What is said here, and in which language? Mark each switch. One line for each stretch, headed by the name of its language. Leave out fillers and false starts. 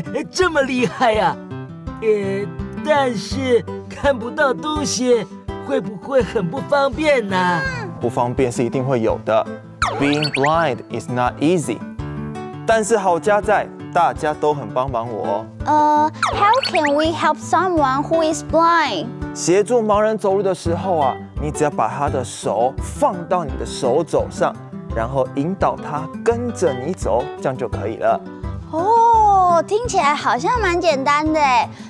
Chinese: 这么厉害啊，但是看不到东西会不会很不方便呢、啊、不方便是一定会有的。
English: Being blind is not easy.
Chinese: 但是好家在大家都很帮忙我。
English: How can we help someone who is blind?
Chinese: 协助盲人走路的时候啊，你只要把他的手放到你的手肘上，然后引导他跟着你走，这样就可以了。哦，听起来好像蛮简单的哎。